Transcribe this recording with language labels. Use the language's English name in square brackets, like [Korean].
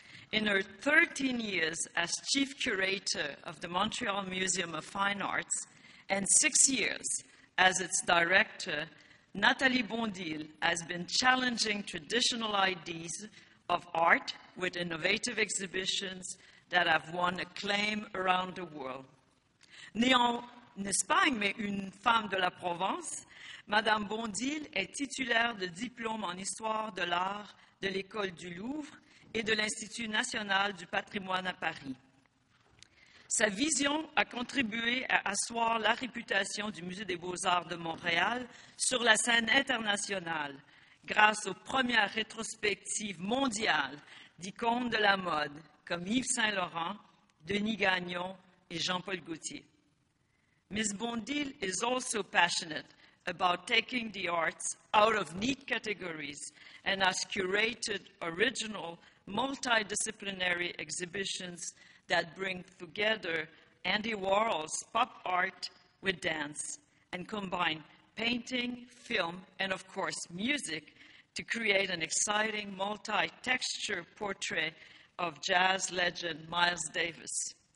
[English] In her 13 years as chief curator of the Montreal Museum of Fine Arts and 6 years as its director, Natalie Bondil has been challenging traditional ideas of art with innovative exhibitions that have won acclaim around the world. [French] Née en Espagne, mais une femme de la Provence, Madame Bondil est titulaire de diplôme en histoire de l'art de l'École du Louvre et de l'Institut national du patrimoine à Paris. Sa vision a contribué à asseoir la réputation du Musée des beaux-arts de Montréal sur la scène internationale grâce aux premières rétrospectives mondiales d'icônes de la mode comme Yves Saint-Laurent, Denis Gagnon et Jean-Paul Gaultier. [English] Ms. Bondil is also passionate about taking the arts out of neat categories and has curated original multidisciplinary exhibitions that bring together Andy Warhol's pop art with dance and combine painting, film, and of course music to create an exciting multi-texture portrait of jazz legend Miles Davis.